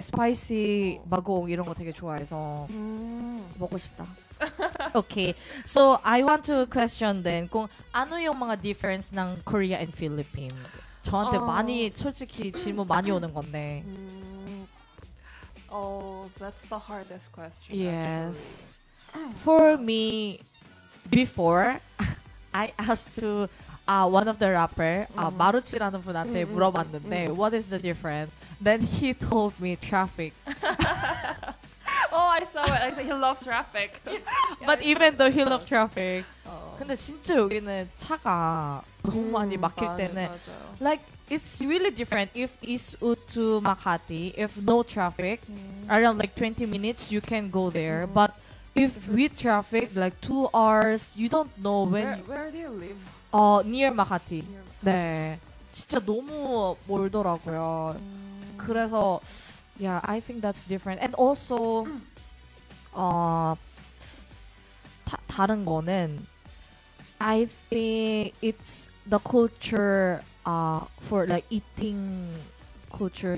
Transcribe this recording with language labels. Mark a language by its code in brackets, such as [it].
[ko] 스파이시 마고 이런 거 되게 좋아해서 먹고 싶다. [en] Okay, so I want to question then. 그 [tl] ano yung mga difference ng Korea and Philippines? [ko] 저한테 많이 솔직히 질문 많이 오는 건데. [en] Oh, that's the hardest question. Yes. For me, before I asked to one of the rapper, Maruchi라는 [ko] 분한테 물어봤는데, [en] what is the difference? Then he told me traffic. Oh, I saw it. I said he loved traffic. Yeah, but even though he loved traffic, [ko] 근데 진짜 여기는 차가 너무 많이 막힐 맞아, 때는 맞아요. [en] like it's really different. If Isu to Makati, if no traffic, around like 20 minutes you can go there. But if with traffic, like 2 hours, you don't know when. Where do you live? Near Makati. [ko] 네, 진짜 너무 멀더라고요. 그래서. [en] Yeah, I think that's different. And also, [ko] 다른 거는, [en] I think it's the culture for like eating culture.